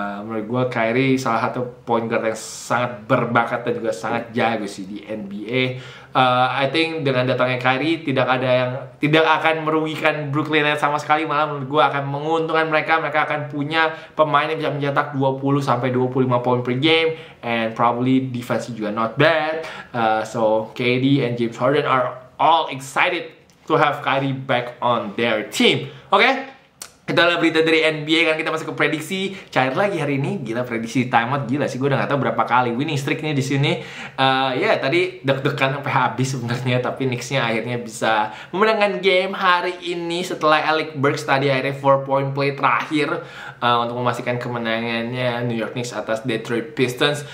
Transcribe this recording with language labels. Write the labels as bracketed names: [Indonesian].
[Indonesian] Menurut gue Kyrie salah satu point guard yang sangat berbakat dan juga sangat jago sih di NBA. [English] I think [Indonesian] dengan datangnya Kyrie tidak akan merugikan Brooklyn Nets sama sekali. Malah menurut gue akan menguntungkan mereka. Mereka akan punya pemain yang bisa mencetak 20-25 poin per game. [English] And probably defense [Indonesian] juga [English] not bad. So KD and James Harden are all excited to have Kyrie back on their team. Okay? [Indonesian] Itu adalah berita dari NBA, kan kita masuk ke prediksi. Cair lagi hari ini, gila prediksi timeout, gila sih gue udah gak tahu berapa kali [English] winning streak [Indonesian] nih di sini. Tadi deg-degan sampai habis sebenarnya, tapi Knicks-nya akhirnya bisa memenangkan game hari ini setelah Alec Burks tadi akhirnya 4 point play terakhir untuk memastikan kemenangannya New York Knicks atas Detroit Pistons.